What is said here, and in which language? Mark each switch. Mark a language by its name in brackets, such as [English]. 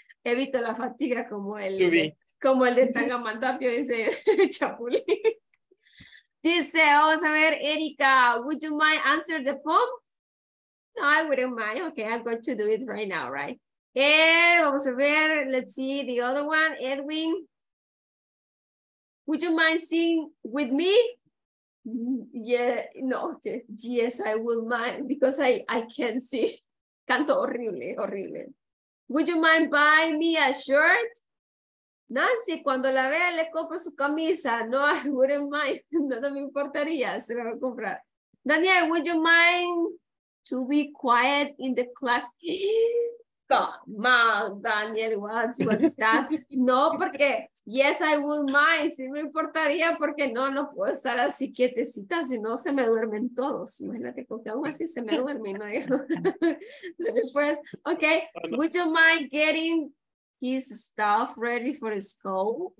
[Spanish] Evito la fatiga como el de Tangamandapio, dice Chapulín. Dice, vamos a ver, [English] Erika, would you mind answer the phone? No, I wouldn't mind. Okay, I'm going to do it right now, right? [Spanish] Vamos a ver, [English] let's see the other one. Edwin, would you mind sing with me? Yes, I would mind because I can't sing. [Spanish] Canto horrible, horrible. [English] Would you mind buying me a shirt? [Spanish] Nancy, cuando la vea, le compro su camisa. [English] No, I wouldn't mind. [Spanish] No me importaría, se la voy a comprar. [English] Daniel, would you mind to be quiet in the class? Come on, Daniel, what's that? [Spanish] No, porque, [English] yes, I would mind. [Spanish] Sí me importaría porque no puedo estar así quietecita, si no se me duermen todos. Imagínate, porque aún así se me duerme. ¿No? [English] Después, okay, would you mind getting his stuff ready for school?